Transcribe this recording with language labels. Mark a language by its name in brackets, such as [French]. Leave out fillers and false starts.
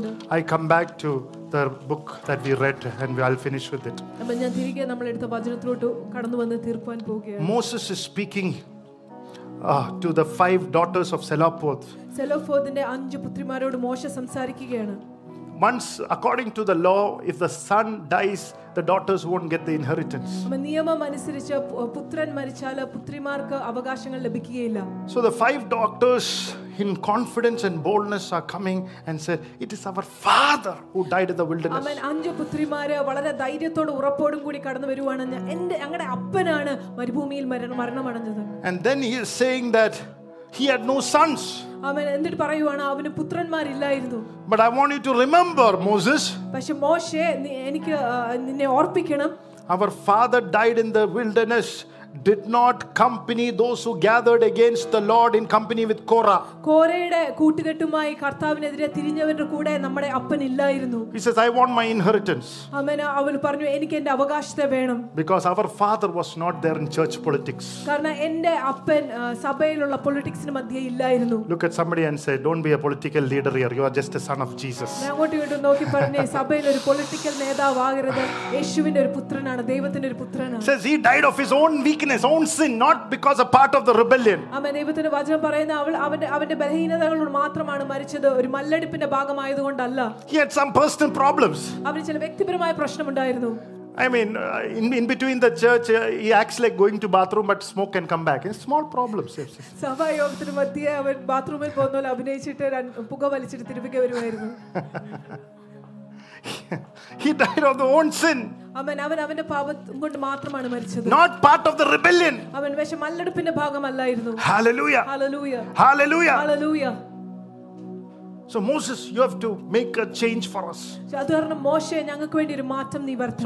[English] I come back to the book that we read and we all finish with it. Moses is speaking to the 5 daughters of Zelophehad. [Malayalam] Zelophehadinte 5 putrimarodu Moshe samsarikkukayanu. [English] Once, according to the law, if the son dies, the daughters won't get the inheritance. [Malayalam] നിയമം അനുസരിച്ച് പുത്രൻ മരിച്ചാൽ പുത്രിമാർക്ക് അവകാശങ്ങൾ ലഭിക്കുകയില്ല. [English] So the 5 daughters in confidence and boldness are coming and said, it is our father who died in the wilderness. [Malayalam] അമ്മ അഞ്ചു പുത്രിമാരെ വളരെ ധൈര്യത്തോടെ ഉറപ്പോടും കൂടി കടന്നു വരുവാണ് എന്നെ ഞങ്ങളുടെ അപ്പനാണ് മരുഭൂമിയിൽ മരണമടഞ്ഞത്. [English] And then he is saying that he had no sons. [Malayalam] അമ്മ എന്നിട്ട് പറയുവാണ് അവന് പുത്രന്മാർ ഇല്ലായിരുന്നു. [English] But I want you to remember, Moses. [Malayalam] പക്ഷെ മോശെ എനിക്ക് നിന്നെ ഓർപ്പിക്കണം. [English] Our father died in the wilderness. Did not company those who gathered against the Lord in company with Korah. [Malayalam] കോരയുടെ കൂട്ടുകെട്ടുമായി കർത്താവിനെതിരെ തിരിഞ്ഞവരുടെ കൂടെ നമ്മുടെ അപ്പൻ ഇല്ലായിരുന്നു. [English] He says, I want my inheritance. [Malayalam] അമ്മേ അവൾ പറഞ്ഞു എനിക്ക് എൻ്റെ അവകാശത്തെ വേണം. [English] Because our father was not there in church politics. [Malayalam] കാരണം എൻ്റെ അപ്പൻ സഭയിലുള്ള പൊളിറ്റിക്സിന് മധ്യേ ഇല്ലായിരുന്നു. [English] Look at somebody and say, don't be a political leader here. You are just a son of Jesus. [Malayalam] നേരോട്ട് ഇട്ട് നോക്കി പറഞ്ഞു സഭയിലെ ഒരു പൊളിറ്റിക്കൽ നേതാവാകരുത്. യേശുവിൻ്റെ ഒരു പുത്രനാണ്, ദൈവത്തിൻ്റെ ഒരു പുത്രനാണ്. [English] Says he died of his own weakness, own sin, not because of part of the rebellion. Amen. [Malayalam] ദൈവത്തിന്റെ വചനം പറയുന്നു അവന്റെ ബലഹീനതകളോട് മാത്രമാണ് മരിച്ചത്, ഒരു മല്ലടിപ്പിന്റെ ഭാഗമായതുകൊണ്ടല്ല. [English] He had some personal problems. [Malayalam] അവന് ചില വ്യക്തിപരമായ പ്രശ്നമുണ്ടായിരുന്നു. [English] I mean, in between the church, he acts like going to bathroom, but smoke can come back. It's small problems. [Malayalam] സഭായോഗത്തിന് മധ്യേ അവൻ ബാത്റൂമിൽ പോകുന്നോ അഭിനയിച്ചിട്ട് പുക വലിച്ചിട്ട് തിരികെ വരുമായിരുന്നു. [English] He died of the own sin. [Malayalam] അവൻ അവന്റെ പാപം കൊണ്ട് മാത്രമാണ് മരിച്ചത്. [English] Not part of the rebellion. [Malayalam] അവൻ വെഷം മല്ലടുപ്പിന്റെ ഭാഗമല്ലായിരുന്നു. [English] Hallelujah. Hallelujah. Hallelujah. Hallelujah. So Moses, you have to make a change for us. [Malayalam] സാധാരണ മോശെ ഞങ്ങൾക്ക് വേണ്ടി ഒരു മാറ്റം നീ വരുത്തണം.